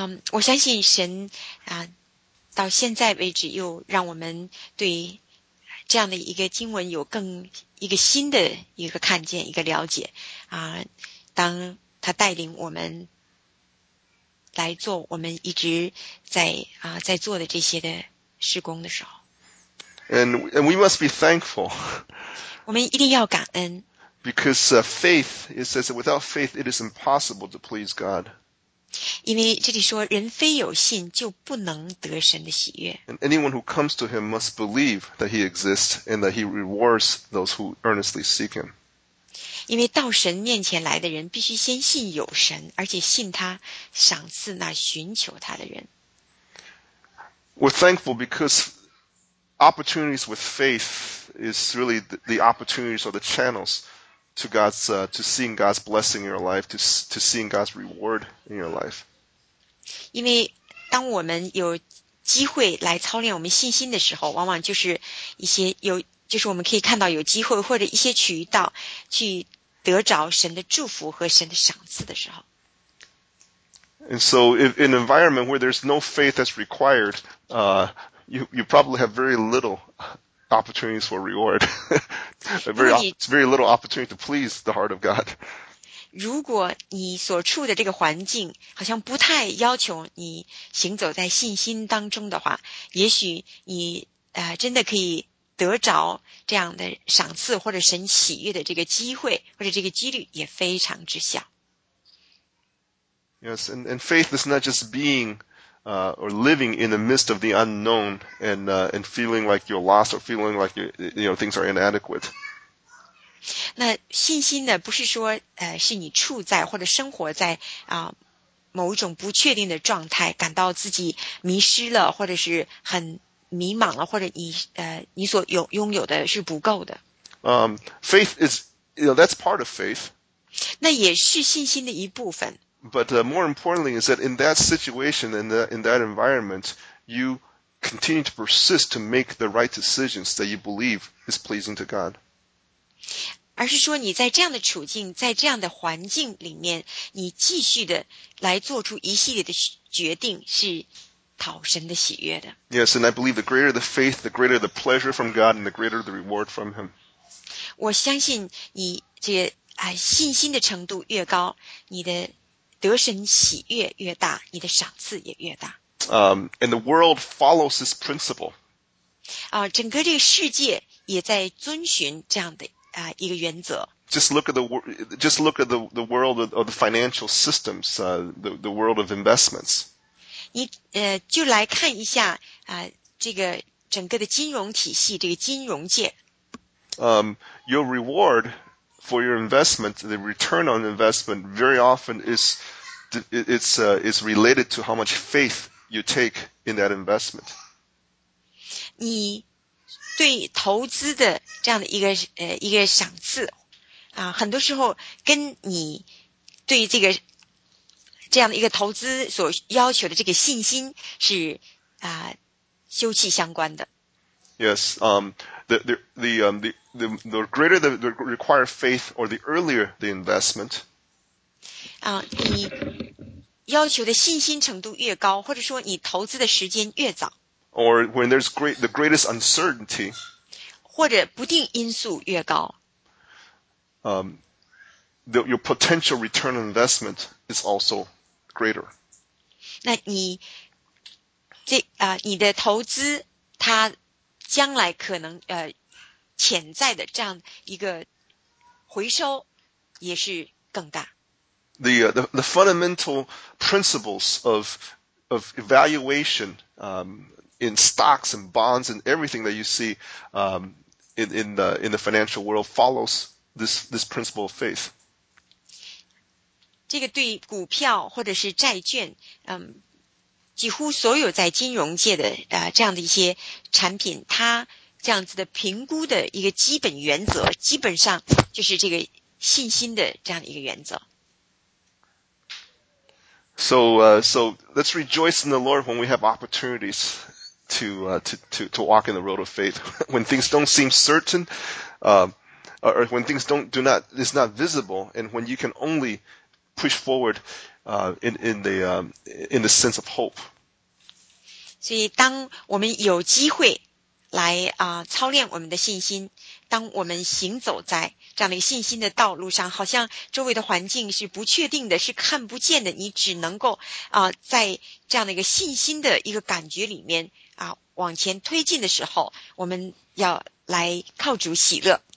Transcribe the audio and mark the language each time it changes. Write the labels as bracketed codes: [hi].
[zh] 我相信神到现在为止又让我们对这样的一个经文有更一个新的一个看见一个了解当他带领我们来做我们一直在做的这些的事工的时候。 [en] And we must be thankful. [zh] 我们一定要感恩。 [en] Because faith, it says that without faith, it is impossible to please God. [zh] 因为这里说人非有信就不能得神的喜悦。 [en] And anyone who comes to him must believe that he exists and that he rewards those who earnestly seek him. [zh] 因为到神面前来的人必须先信有神，而且信他赏赐那寻求他的人。 [en] We're thankful because opportunities with faith is really the opportunities or the channels. To God's, to seeing God's blessing in your life, to seeing God's reward in your life. [zh] 因为当我们有机会来操练我们信心的时候，往往就是一些有，就是我们可以看到有机会或者一些渠道去得着神的祝福和神的赏赐的时候。 [en] And so, if in an environment where there's no faith that's required, you probably have very little. Opportunities for reward. very little opportunity to please the heart of God. [zh] 如果你所处的这个环境好像不太要求你行走在信心当中的话，也许你真的可以得着这样的赏赐或者神喜悦的这个机会或者这个几率也非常之小。 [en] Yes, and faith is not just being. Or living in the midst of the unknown and feeling like you're lost or feeling like you know, things are inadequate. [zh] 那信心呢不是说是你处在或者生活在某一种不确定的状态感到自己迷失了或者是很迷茫了或者你所拥有的是不够的。 [en] Faith is, you know, that's part of faith. [zh] 那也是信心的一部分。 [en] But more importantly is that in that situation, in that environment, you continue to persist to make the right decisions that you believe is pleasing to God. [zh] 而是说你在这样的处境，在这样的环境里面，你继续的来做出一系列的决定是讨神的喜悦的。 [en] Yes, and I believe the greater the faith, the greater the pleasure from God, and the greater the reward from Him. [zh] 我相信你这信心的程度越高，你的得神喜悦越大，你的赏赐也越大。 [en] And the world follows this principle. [zh] 整个这个世界也在遵循这样的一个原则。 [en] Just look at the world of the financial systems, the world of investments. [zh] 你就来看一下这个整个的金融体系，这个金融界。 [en] Your reward. For your investment, the return on investment very often is related to how much faith you take in that investment. [zh] 你对投资的这样的一个赏赐很多时候跟你对这个这样的一个投资所要求的这个信心是休戚相关的。 [en] Yes, the greater the required faith or the earlier the investment. [zh] 你要求的信心程度越高，或者说你投资的时间越早。 [en] Or when there's great, the greatest uncertainty. [zh] 或者不定因素越高。 [en] Your potential return on investment is also greater. [zh] 那你这啊、你的投资它将来可能潜在的这样一个回收也是更大。 [en] The fundamental principles of evaluation, in stocks and bonds and everything that you see, in the financial world follows this principle of faith. [zh] 这个对股票或者是债券，几乎所有在金融界的这样的一些产品，它这样子的评估的一个基本原则，基本上就是这个信心的这样的一个原则。 [en] So let's rejoice in the Lord when we have opportunities to walk in the road of faith. When things don't seem certain, or when things is not visible, and when you can only push forward, in the sense of hope. [zh] 所以当我们有机会来操练我们的信心，当我们行走在这样的一个信心的道路上，好像周围的环境是不确定的，是看不见的，你只能够在这样的一个信心的一个感觉里面往前推进的时候，我们要来靠主喜乐。